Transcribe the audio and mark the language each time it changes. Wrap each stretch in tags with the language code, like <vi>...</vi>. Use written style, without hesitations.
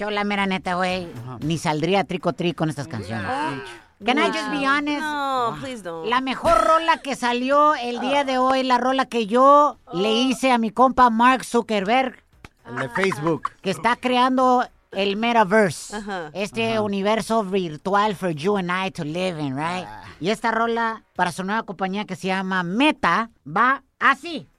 <es>Yo la mera neta, güey, ni saldría trico-tri con estas canciones.</es> <en>Can I just be honest? No, please don't.</en> <es>La mejor rola que salió el día de hoy, la rola que yo le hice a mi compa Mark Zuckerberg. El de Facebook. Que está creando el metaverse. Uh-huh. Este uh-huh. universo virtual</es> <en>for you and I to live in, right? Uh-huh.</en> <es>Y esta rola para su nueva compañía que se llama Meta va así.</es>